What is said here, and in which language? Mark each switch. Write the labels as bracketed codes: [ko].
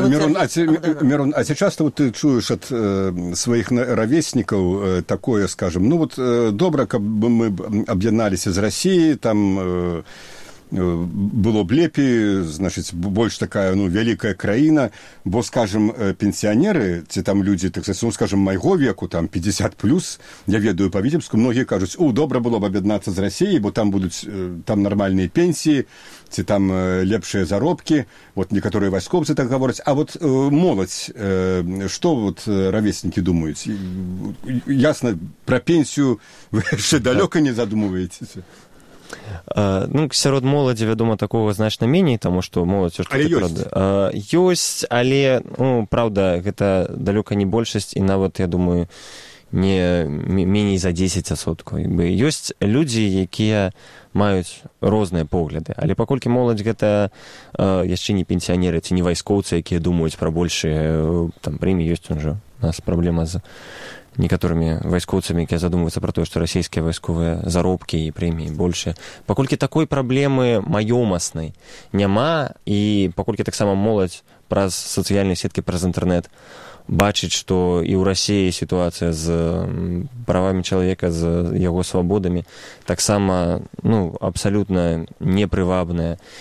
[be] Мірон, а ці часта ты чуеш ад сваіх равеснікаў такое, скажам, ну, вот добра, каб мы аб'яналіся з Расіі, там, [ru] было бы лепей, значит, больше такая, ну, великая краина, бо, скажем, пенсионеры, те там люди, так сказать, ну, скажем, моего веку, там, 50+, я ведаю по Витебску, многие кажут, у, добро было бы объединяться с Россией, бо там будут, там нормальные пенсии, те там лепшие заробки, вот некоторые войскопцы так говорят, а вот молодь, что вот ровесники думают? Ясно, про пенсию вы еще далеко не задумываетесь. [be] Ну, сярод моладзі, вядома, такога значна меней, таму што моладзь ўсё ж такі праўда. Ёсць, але, ну, праўда, гэта далёка не большасць і нават, я думаю, не меней за 10%. Ёсць людзі, якія маюць розныя погляды, але паколькі моладзь гэта яшчэ не пенсіянеры ці не вайскоўцы, якія думаюць пра большыя там прэміі, ёсць ужо у нас праблема з [ru] некоторыми войскоўцами, которые задумываются про то, что российские войсковые заробки и премии больше. Покольки такой проблемы маёмасной нема, и покольки так само молодь про социальные сетки, про интернет, бачить, что и у России ситуация с правами человека, с его свободами, так само, ну, абсолютно непривабная.